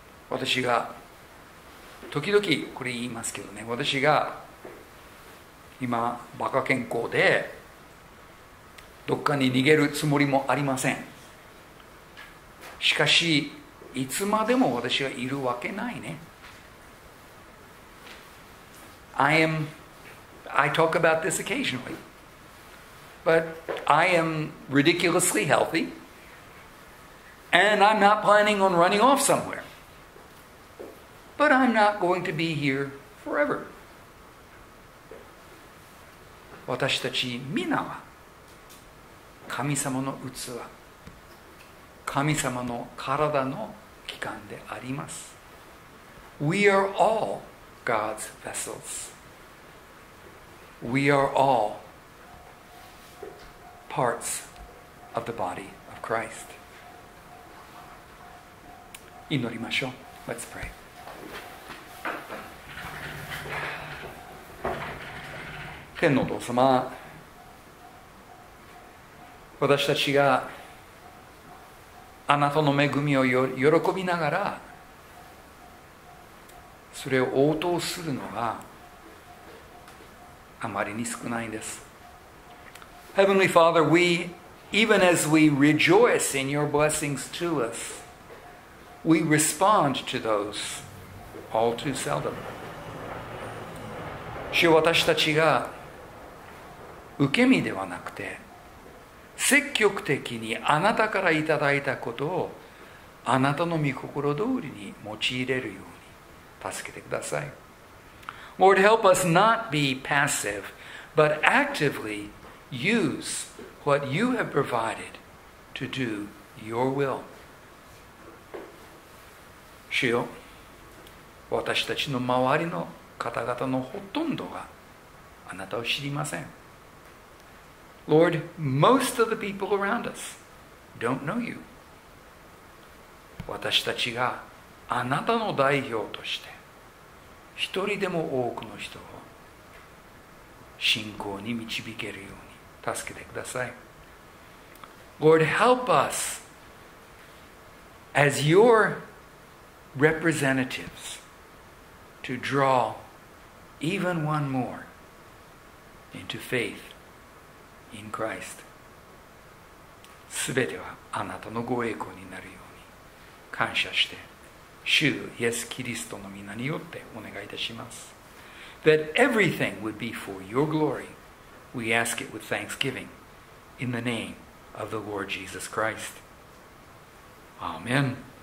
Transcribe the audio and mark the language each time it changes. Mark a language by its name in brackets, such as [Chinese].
[Japanese] 私が時々これ言いますけどね、私が今バカ健康でどっかに逃げるつもりもありません。しかしいつまでも私がいるわけないね。 [English] I talk about this occasionally, but I am ridiculously healthy and I'm not planning on running off somewhereBut I'm not going to be here forever. [Japanese] 私たち皆は神様の器、神様の体の器官であります。 [English] We are all God's vessels. We are all parts of the body of Christ. [Japanese] 祈りましょう。 [English] Let's pray. [Japanese] 天のお父様、私たちがあなたの恵みを喜びながらそれを応答するのはあまりに少ないです。 [English] Heavenly Father, we even as we rejoice in your blessings to us, we respond to those all too seldom。 [Japanese] 主よ、私たちが受け身ではなくて積極的にあなたからいただいたことをあなたの御心通りに用いれるように助けてください。 [English] Lord, help us not be passive but actively use what you have provided to do your will。 [Japanese] 主よ、私たちの周りの方々のほとんどがあなたを知りません。 [English] Lord, most of the people around us don't know you. [Japanese] 私たちがあなたの代表として一人でも多くの人を信仰に導けるように助けてください。 [English] Lord, help us as your representatives to draw even one more into faith in Christ. [Japanese] すべてはあなたのご栄光になるように感謝して主イエス・キリストの名によってお願いいたします。 [English] That everything would be for your glory, we ask it with thanksgiving in the name of the Lord Jesus Christ. Amen.